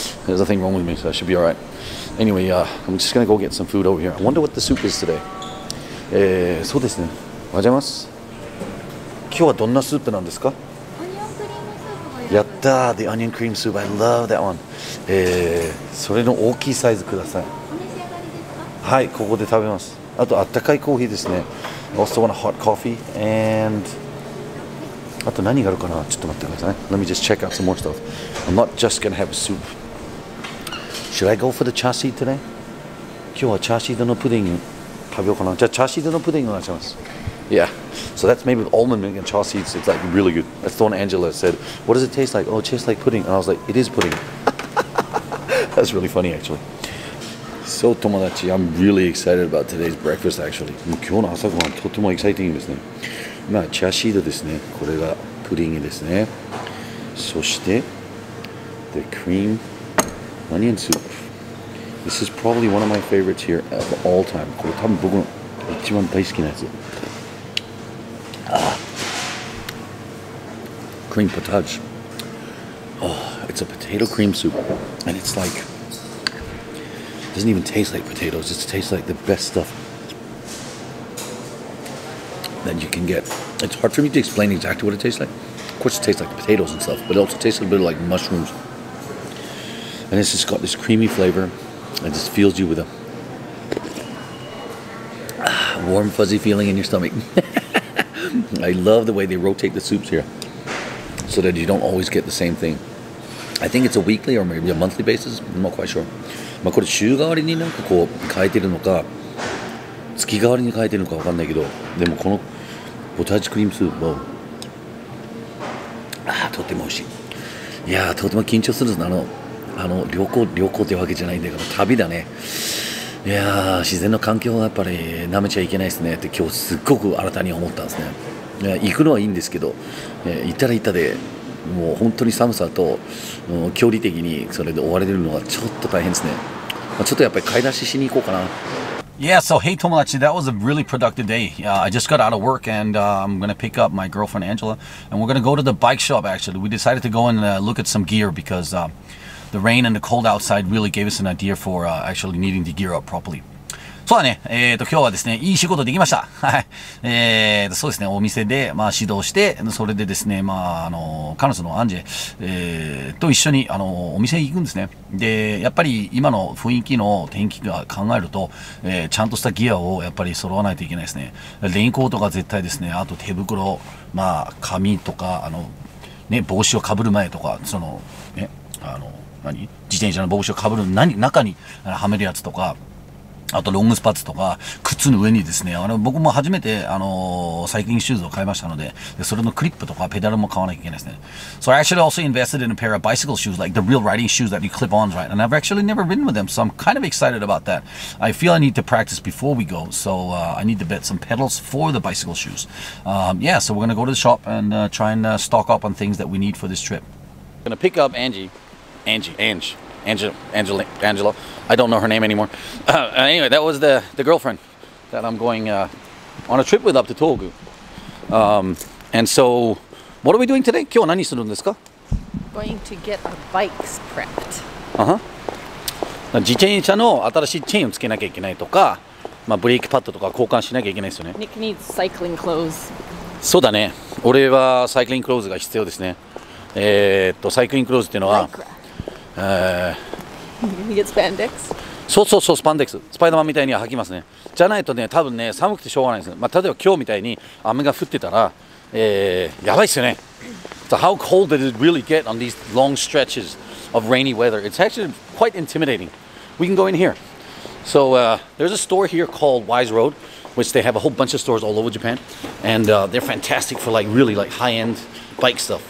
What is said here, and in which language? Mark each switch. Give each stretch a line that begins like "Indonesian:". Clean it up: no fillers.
English: There's nothing wrong with me, so I should be alright. Anyway, I'm just gonna go get some food over here. I wonder what the soup is today.
Japanese: そうですね。おはようございます。今日はどんなスープなんですか? オニオンクリームスープ。やったー!
English: The onion cream soup, I love that one.
Japanese: それの大きいサイズください。お召し上がりですか? はい、ここで食べます。あと、あったかいコーヒーですね。
English: I also want a hot coffee, and...
Japanese: あと何があるかな? ちょっと待ってくださいね。
English: Let me just check out some more stuff. I'm not just gonna have a soup. Should I go for the char siu today?
Japanese: 今日はチャーシューのプディング食べようかな。じゃあチャーシューのプディングお願いします。
English: Yeah. So that's made with almond milk and char siu. It's like really good. That's the one Angela said. What does it taste like? Oh, it tastes like pudding. And I was like, it is pudding. That's really funny actually. So, tomodachi, I'm really excited about today's breakfast actually.
Japanese: 今日の朝ごはんとても exciting ですね。まあ、チャーシードですね。これがプリンですね。そして、
English: the cream onion soup. This is probably one of my favorites here of all time.
Japanese: これ多分僕の一番大好きなやつ。
English: cream potage. Oh, it's a potato cream soup. And it's like, it doesn't even taste like potatoes. It tastes like the best stuff that you can get. It's hard for me to explain exactly what it tastes like. Of course it tastes like potatoes and stuff, but it also tastes a little bit like mushrooms. And it's just got this creamy flavor. It just fills you with a warm, fuzzy feeling in your stomach. I love the way they rotate the soups here so that you don't always get the same thing. I think it's a weekly or maybe a monthly basis. I'm not quite sure.
Japanese: まあこれ週替わりになんかこう変えてるのか、月替わりに変えてるのかわかんないけど、でもこのポタージュクリームスープも、ああ、とても美味しい。いやー、とても緊張するぞ。旅行というわけじゃないんだけど、旅だね。いやー、自然の環境はやっぱり舐めちゃいけないですねって今日すっごく新たに思ったんですね。行くのはいいんですけど、行ったら行ったで、もう本当に寒さと、距離的にそれで追われるのはちょっと大変ですね。ちょっとやっぱり買い出ししに行こうかな。
English: Yeah, so hey, tomodachi, that was a really productive day. I just got out of work and I'm going to pick up my girlfriend, Angela, and we're going to go to the bike shop, actually. We decided to go and look at some gear because the rain and the cold outside really gave us an idea for actually needing to gear up properly.
Japanese: そうだね。今日はですね、いい仕事できました。はい。そうですね、お店で、まあ、指導して、それでですね、まあ、彼女のアンジェ、と一緒に、お店行くんですね。で、やっぱり、今の雰囲気の天気が考えると、ちゃんとしたギアを、やっぱり揃わないといけないですね。レインコートが絶対ですね、あと手袋、まあ、髪とか、ね、帽子をかぶる前とか、ね、何自転車の帽子をかぶる中にはめるやつとか、あとロングスパッツとか、靴の上にですね、僕も初めて、サイクリングシューズを買いましたので、それのクリップとかペダルも買わなきゃいけないですね。
English: So I actually also invested in a pair of bicycle shoes, like the real riding shoes that you clip on, right? And I've actually never ridden with them, so I'm kind of excited about that. I feel I need to practice before we go, so, I need to get some pedals for the bicycle shoes. Yeah, so we're gonna go to the shop and, try and, stock up on things that we need for this trip. Gonna pick up Angela. I don't know her name anymore. Anyway, that was the girlfriend that I'm going on a trip with up to Tōgu. And so, what are we doing today?
Japanese: 今日何するんですか?
English: Going to get our bikes prepped. Uh-huh.
Japanese: 自転車の新しいチェーンをつけなきゃいけないとか、まあ、ブレーキパッドとか交換しなきゃいけないですよね。
English: Nick needs cycling clothes.
Japanese: そうだね。俺はサイクリングクローズが必要ですね。サイクリングクローズっていうのは、
English: You get spandex?
Japanese: そう、スパンデックス。スパイダーマンみたいには履きますね。じゃないとね、多分ね、寒くてしょうがないです。まあ、例えば今日みたいに雨が降ってたら、やばいっすよね。
English: So how cold did it really get on these long stretches of rainy weather? It's actually quite intimidating. We can go in here. So, there's a store here called Wise Road, which they have a whole bunch of stores all over Japan. And, they're fantastic for like really like high-end bike stuff.